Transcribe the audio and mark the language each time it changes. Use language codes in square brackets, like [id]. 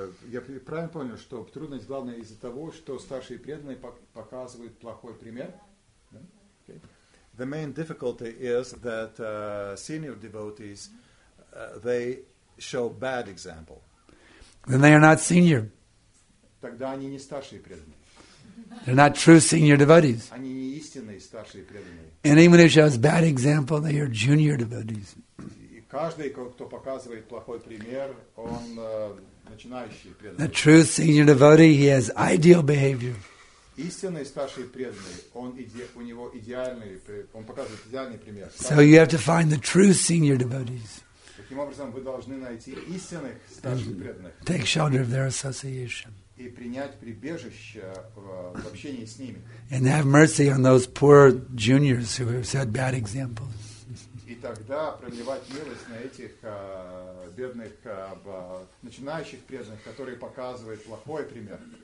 [ru] Я правильно понял, что трудность главная из-за того, что старшие преданные показывают плохой пример? [en] Yeah. Yeah? Okay. The main difficulty is that senior devotees, they show bad example. Then they are not senior. [ru] Тогда они не старшие преданные. [en] They're not true senior devotees. [ru] Они не истинные старшие преданные. [en] Anyone who shows bad example, they are junior devotees. [ru] Каждый, кто показывает плохой пример, он начинающий преданный. [en] The true senior devotee, he has ideal behavior. [ru] Истинный старший преданный, он у него идеальный, он показывает идеальный пример. [en] So you have to find the true senior devotees. [ru] Таким образом, вы должны найти истинных старших преданных. [en] Take shelter of their association. [ru] И принять прибежище в общении с ними. [en] And have mercy on those poor juniors who have set bad examples. [ru] И тогда проливать милость на этих бедных начинающих преданных, которые показывают плохой пример.